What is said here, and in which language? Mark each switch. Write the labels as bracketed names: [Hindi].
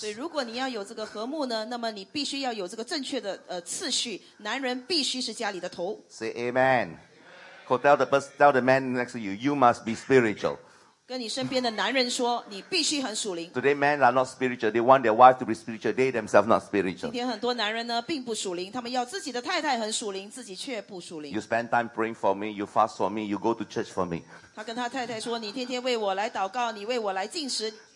[Chinese] 所以如果你要有这个和睦呢，那么你必须要有这个正确的次序，男人必须是家里的头。 [English] Say amen. So tell the man next to you, you must be spiritual. [Chinese] 跟你身边的男人说，你必须很属灵。 [English] Today men are not spiritual. They want their wife to be spiritual. They themselves not spiritual. [Chinese] 今天很多男人呢，并不属灵，他们要自己的太太很属灵，自己却不属灵。 [English] You spend time praying for me. You fast for me. You go to church for me. [Chinese] 他跟他太太说，你天天为我来祷告，你为我来进食。